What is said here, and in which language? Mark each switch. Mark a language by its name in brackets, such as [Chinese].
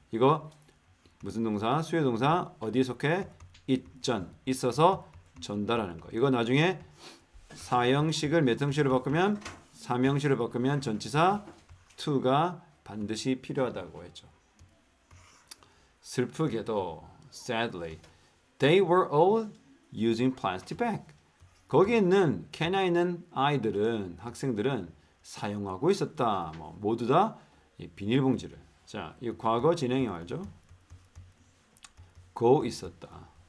[Korean] 이거 무슨 동사? 수요 동사. 어디 속해? 있전. 있어서 전달하는 거. 이거 나중에 사형식을 몇 형식으로 바꾸면? 삼형식으로 바꾸면 전치사 to가 반드시 필요하다고 했죠. 슬프게도 [English] sadly they were all using plastic bag. [Korean] 거기 있는 케냐에 있는 아이들은 학생들은 사용하고 있었다. 뭐 모두 다 이 비닐봉지를. 자, 이 과거 진행형 알죠? go 있었다.